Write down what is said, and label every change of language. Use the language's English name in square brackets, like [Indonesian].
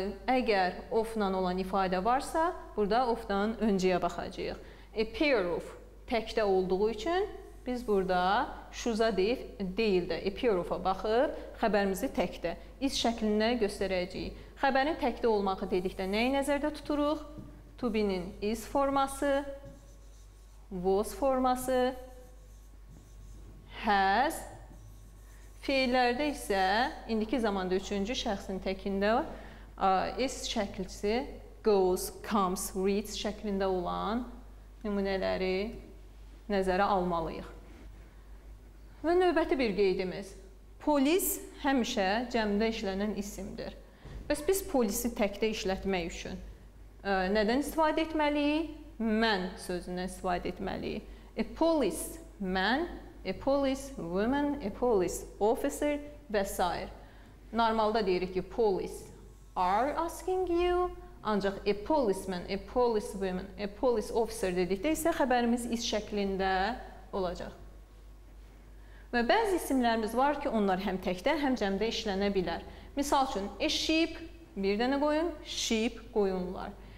[Azerbaijani] Əgər of-dan olan ifadə varsa, burada of-dan öncəyə baxacaq. A pair of təkdə olduğu üçün, biz burada shoes-a deyil də, a pair of-a baxıb, xəbərimizi təkdə, is şəklində göstərəcəyik. Xəbərin təkdə olmağı dedikdə nəyi nəzərdə tuturuq? To be-nin is forması, was forması, has. Fiillərdə isə indiki zamanda üçüncü şəxsin təkində is şəkilçisi goes, comes, reads şəklində olan nümunələri nəzərə almalıyıq. Və növbəti bir qeydimiz. Polis həmişə cəmdə işlənən isimdir. Bəs biz polisi təkdə işlətmək üçün nədən istifadə etməliyik? Man sözündən istifadə etməliyik. [English] A police man, a police woman, a police officer [Azerbaijani] və s. Normalda deyirik ki, [English] police are asking you. [Azerbaijani] Ancaq a policeman, a police woman, a police officer dedikdə isə xəbərimiz is şəklində olacaq. Və bəzi isimlərimiz var ki, onlar həm təkdə, həm cəmdə işlənə bilər. Misal üçün, a sheep, bir dənə qoyun, sheep, qoyunlar.